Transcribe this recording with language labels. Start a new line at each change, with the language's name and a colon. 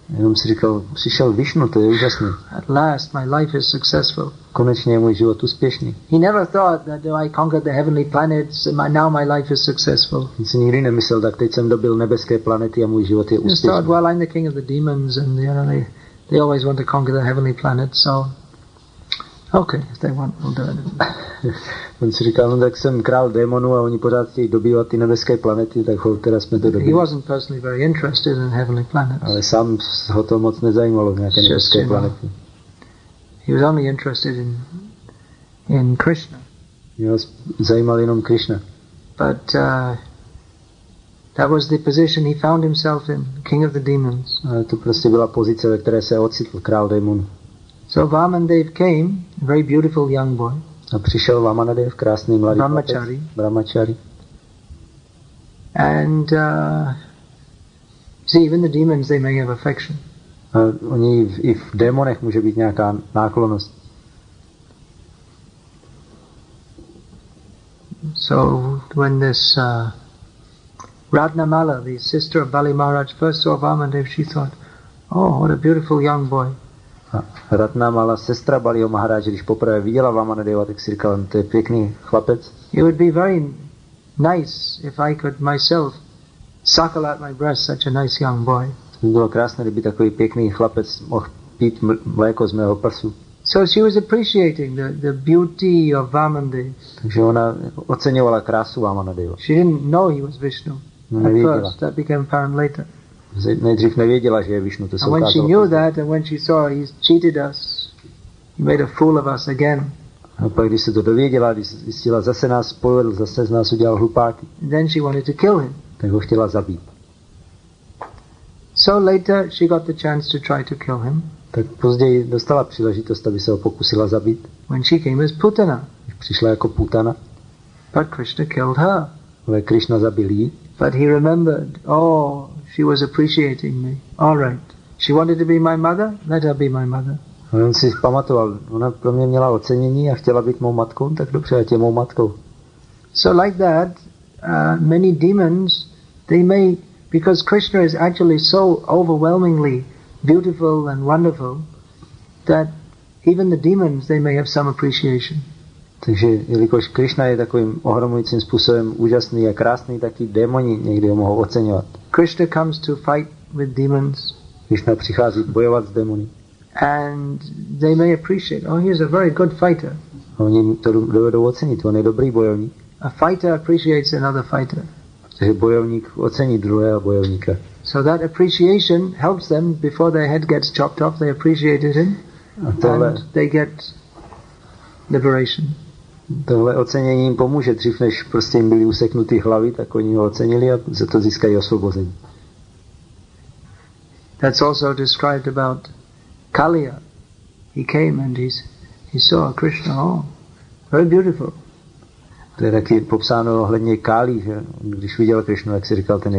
Czech: Jenom si říkal, přišel Vishnu, to je úžasný.
English: At last, my life is successful.
Czech: Konečně je můj život úspěšný.
English: He never thought that though I conquered the heavenly planets, now my life is successful.
Czech: On si nikdy nemyslel, tak teď jsem dobil nebeské planety a můj život je úspěšný.
English: He thought, well, I'm the king of the demons and, you know, they always want to conquer the heavenly planet, so okay, if they want, we'll do it.
Czech: On si říkal, no tak jsem král démonů a oni pořád chtějí dobývat ty nebeské planety, tak ho teda jsme to dobili.
English: He wasn't personally very interested in heavenly planets.
Czech: Ale sám ho to moc nezajímalo, nějaké
English: just,
Czech: nebeské planety.
English: He was only interested in Krishna.
Czech: Jeho zajímal jenom Krishna.
English: But that was the position he found himself in, king of the demons.
Czech: To prostě byla pozice, ve které se ocitl král démonů.
English: So Vamandev came, a very beautiful young boy.
Czech: A přišel Vamanadev, krásný mladý Brahmachari. Chlapec, Brahmachari.
English: And see, even the demons, they may have affection.
Czech: Oni i v démonech může být nějaká náklonost.
English: So when this Radnamala, the sister of Bali Maharaj, first saw Vamandev, she thought, oh, what a beautiful young boy.
Czech: Radnamala, sestra Baliho Maharaj, když poprvé viděla Vamanadeva, tak si říkala, to je pěkný chlapec.
English: It would be very nice if I could myself suckle at my breast such a nice young boy.
Czech: By bylo krásné, kdyby takový pěkný chlapec mohl pít mléko z mého prsu.
English: So she was appreciating the beauty of Vamandev.
Czech: Takže ona oceňovala krásu Vamanadeva.
English: She didn't know he was Vishnu.
Czech: Nevěděla.
English: At first, that became apparent later.
Czech: Nejdřív nevěděla, že je Vishnu. To
English: and when she knew that, and when she saw he's cheated us, he made a fool of us again.
Czech: A pak když se to dověděla, když zjistila, zase nás povedl, zase z nás udělal hlupáky.
English: And then she wanted to kill him.
Czech: Tak ho chtěla zabít.
English: So later she got the chance to try to kill him.
Czech: Tak později dostala příležitost, aby se ho pokusila zabít.
English: When she came as Putana.
Czech: Když přišla jako Putana.
English: But Krishna killed her.
Czech: Ale Krishna zabil jí.
English: But he remembered, oh, she was appreciating me. All right. She wanted to be my mother? Let her be my mother.
Czech: On si pamatoval, ona pro mě měla ocenění a chtěla být mou matkou, tak dobře, ať je mou matkou.
English: So like that, many demons, they may, because Krishna is actually so overwhelmingly beautiful and wonderful, that even the demons, they may have some appreciation.
Czech: Takže jelikož Krishna je takovým ohromujícím způsobem úžasný a krásný, tak i démoni někdy ho mohou oceňovat.
English: Krishna comes to fight with demons.
Czech: Krishna přichází bojovat s démony.
English: And they may appreciate, oh, he is a very good fighter.
Czech: A oni to dovedou ocenit, on je dobrý bojovník.
English: A fighter appreciates another fighter.
Czech: Takže bojovník ocení druhého bojovníka.
English: So that appreciation helps them before their head gets chopped off, they appreciated him.
Czech: A tohle,
English: and they get liberation.
Czech: Tohle ocenění jim pomůže, dřív než prostě jim byly useknuty hlavy, tak oni ho ocenili a za to získají osvobození.
English: That's also described about Kaliya. He came and he saw Krishna, oh, very beautiful.
Czech: To je taky popsáno ohledně Kálí, že když viděl Krišnu, jak si říkal, ten je